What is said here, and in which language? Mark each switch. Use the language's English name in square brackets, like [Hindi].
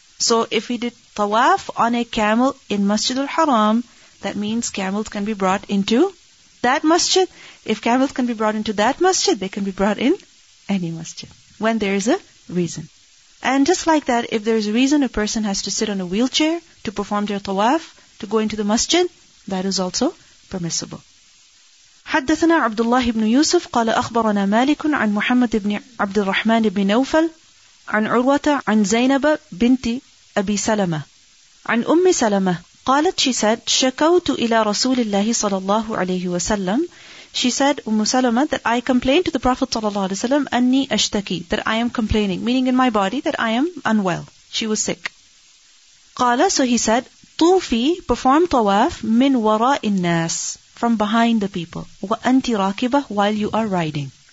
[English] So if he did tawaf on a camel in Masjid al-Haram, that means camels can be brought into that masjid. If camels can be brought into that masjid, they can be brought in any masjid, when there is a reason. And just like that, if there is a reason, a person has to sit on a wheelchair to perform their tawaf, to go into the masjid, that is also permissible. [Arabic] حدثنا عبد الله بن يوسف قال أخبرنا مالك عن محمد بن عبد الرحمن بن نوفل عن عروة عن زينب بنت أبي سلمة عن أم سلمة قالت, [English] she said, [Arabic] شكوت إلى رسول الله صلى الله عليه وسلم. [English] She said, Umm Salama, that I complained to the Prophet sallallahu alaihi wasallam, [Arabic] anni ashtaki, [English] that I am complaining, meaning in my body that I am unwell. She was sick. [Arabic] Qala, [English] so he said, [Arabic] tufi, [English] perform tawaf, [Arabic] min wara'in nas, [English] from behind the people, [Arabic] wa anti raqibah, [English] while you are riding.